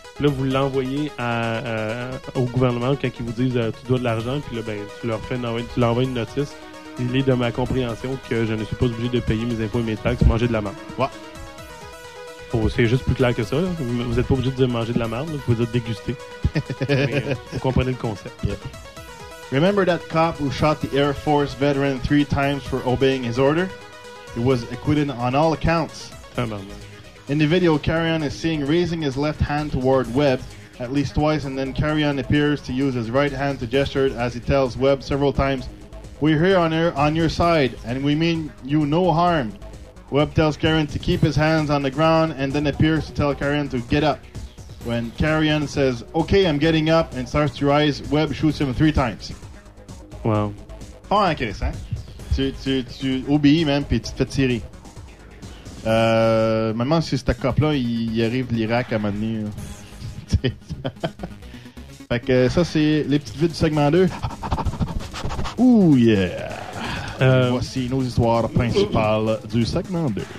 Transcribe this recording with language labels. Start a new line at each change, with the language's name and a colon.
French: Là, vous l'envoyez au gouvernement quand ils vous disent tu dois de l'argent, puis là, ben, tu leur envoies une notice. Il est de ma compréhension que je ne suis pas obligé de payer mes impôts et mes taxes, manger de la merde. Ouais. C'est juste plus clair que ça. Vous n'êtes pas obligé de manger de la merde. Vous pouvez être dégusté. Vous comprenez le concept.
English: Yeah. Remember that cop who shot the Air Force veteran 3 times for obeying his order? He was acquitted on all accounts. In the video, Carrion is seen raising his left hand toward Webb at least twice, and then Carrion appears to use his right hand to gesture as he tells Webb several times, "We're here on your side, and we mean you no harm." Webb tells Carrion to keep his hands on the ground and then appears to tell Carrion to get up. When Carrion says, "Okay, I'm getting up," and starts to rise, Webb shoots him 3 times. Wow.
French: Pas intéressant. Tu obéis même, puis tu te fais tirer. Maintenant, si ce cop-là, il arrive de l'Irak à un moment donné. Hein. Fait que ça, c'est les petites vues du segment 2.
English: Ooh, yeah!
French: Voici nos histoires principales du segment 2.